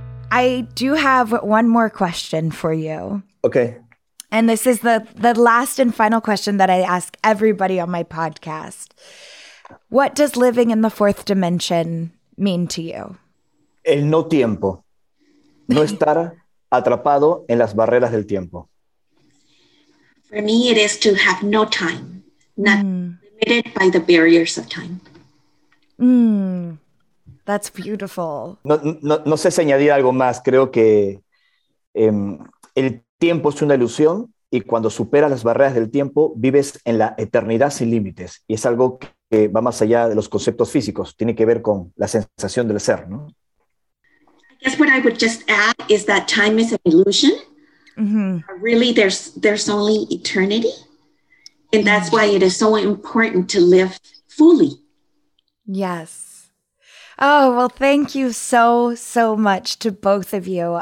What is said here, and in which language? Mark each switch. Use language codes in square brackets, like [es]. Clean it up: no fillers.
[en] I do have one more question for you. Okay. And this is the last and final question that I ask everybody on my podcast. What does living in the fourth dimension mean to you? [es] El no tiempo. No estar atrapado en las barreras del tiempo. [en] For me, it is to have no time. Not limited by the barriers of time. That's beautiful. [es] No sé si añadir algo más. Creo que el tiempo es una ilusión y cuando superas las barreras del tiempo, vives en la eternidad sin límites. Y es algo que va más allá de los conceptos físicos. Tiene que ver con la sensación del ser, ¿no? [en] I guess what I would just add is that time is an illusion. Mm-hmm. Really, there's only eternity. And that's why it is so important to live fully. Yes. Oh, well, thank you so, so much to both of you.